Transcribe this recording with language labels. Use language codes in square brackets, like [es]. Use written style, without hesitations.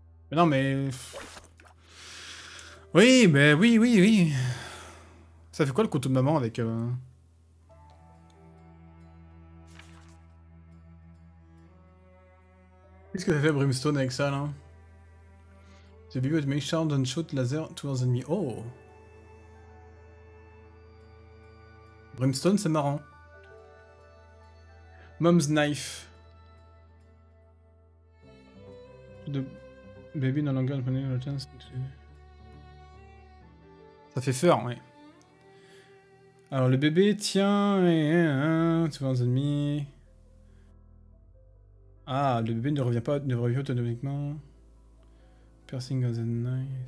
[fr] Mais non, mais... Oui, mais oui, oui, oui. Ça fait quoi le couteau de maman avec... Qu'est-ce que ça fait Brimstone avec ça, là? [en] The Bibliot may shout and shoot laser towards enemy. Oh! [fr] Brimstone, c'est marrant. [en] Mom's Knife. De... Baby no longer has a chance to... [fr] Ça fait peur, ouais. Alors le bébé, tiens, tu vois un ennemi. Ah, le bébé ne revient pas, ne revient automatiquement. [en] Piercing of the knife.